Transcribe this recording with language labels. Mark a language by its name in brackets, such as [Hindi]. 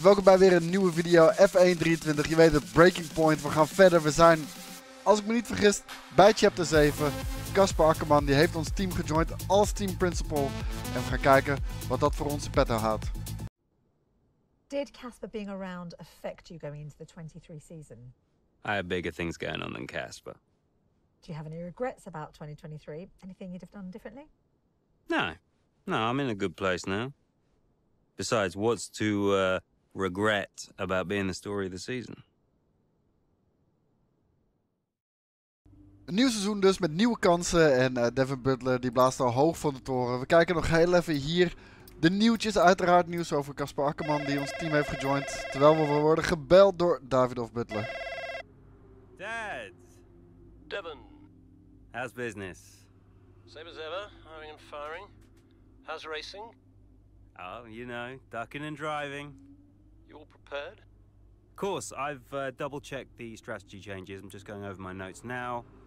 [Dutch] Welkom bij weer een nieuwe video F1 23. Je weet het, breaking point. We gaan verder. We zijn, als ik me niet vergis, bij chapter 7. Casper Akkerman die heeft ons team gejoind als team principal. En we gaan kijken wat dat voor onze petto houdt. [English] Did Casper being around affect you going into the 23 season? I have bigger things going on than Casper. Do you have any regrets about 2023? Anything you'd have done differently? No, I'm in a good place now. Besides, what's to regret about being the story of the season? [Dutch] Een nieuw seizoen dus met nieuwe kansen en Devon Butler die blaast al hoog van de toren. We kijken nog heel even hier de nieuwtjes, uiteraard nieuws over Casper Akkerman die ons team heeft gejoind. Terwijl we worden gebeld door Davidoff Butler. [English] Dad! Devon. How's business? Same as ever, hiring and firing. How's racing? Oh, you know, ducking and driving. You all prepared? Of course, I've double-checked the strategy changes. I'm just going over my notes now.